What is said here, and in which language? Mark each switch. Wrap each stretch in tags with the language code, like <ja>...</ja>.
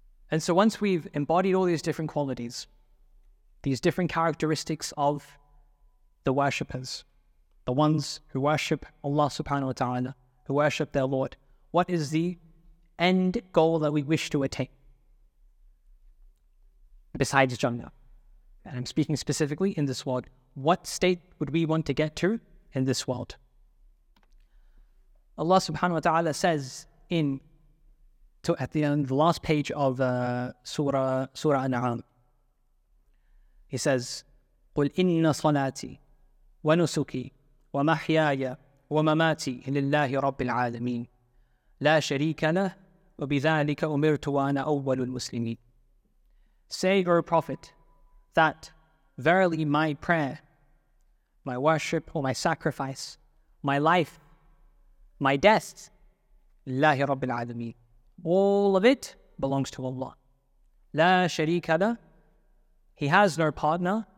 <en>And so once we've embodied all these different qualities, these different characteristics of the worshippers, the ones who worship Allah subhanahu wa ta'ala, who worship their Lord, what is the end goal that we wish to attain besides Jannah? And I'm speaking specifically in this world. What state would we want to get to in this world? Allah subhanahu wa ta'ala says at the last page of Surah An'am, he says,</en> <ar>قُلْ إِنَّ صَلَاتِي وَنُسُكِي وَمَحْيَايَ وَمَمَاتِي لِلَّهِ رَبِّ الْعَالَمِينَ لَا شَرِيكَ لَهُ وَبِذَٰلِكَ أُمِرْتُ وَأَنَا أَوَّلُ الْمُسْلِمِينَ.</ar> <en>Say, O Prophet, that verily my prayer, my worship, or my sacrifice, my life, my death,</en> <ar>لِلَّهِ رَبِّ الْعَالَمِينَ,</ar> <en>all of it belongs to Allah.</en> <ar>لَا شَرِيكَ لَهُ,</ar> <en>he has no partner.</en>